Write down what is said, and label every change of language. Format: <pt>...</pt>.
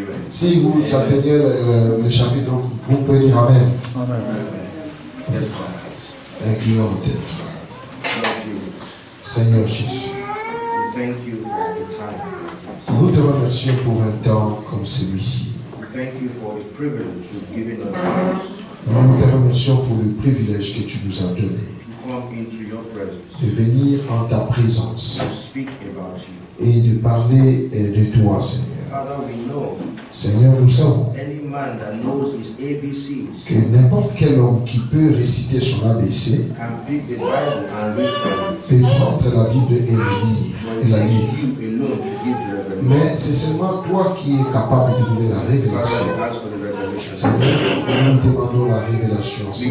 <fr>Si vous atteignez le chapitre, vous pouvez dire Amen. Amen. Inclinons nos têtes. Seigneur Jésus.</fr> <en>Thank you for the time.</en> <fr>Nous te remercions pour un temps comme celui-ci.</fr> <en>Thank you for the privilege you've given us.</en> <fr>Nous te remercions pour le privilège que tu nous as donné.</fr> <en>To come into your presence.</en> <fr>De venir en ta présence.</fr> <en>To speak about you.</en> <fr>Et de parler de toi, Seigneur.</fr> <en>Father, we know.</en> <fr>Seigneur, nous savons.</fr> <en>Any man that knows his ABCs.</en> <fr>Que n'importe quel homme qui peut réciter son ABC.</fr> <en>Can pick the Bible and read from it.</en> <fr>Peut prendre la Bible et le lire. Mais c'est seulement toi qui es capable de donner la révélation. Seigneur, nous demandons la révélation.</fr>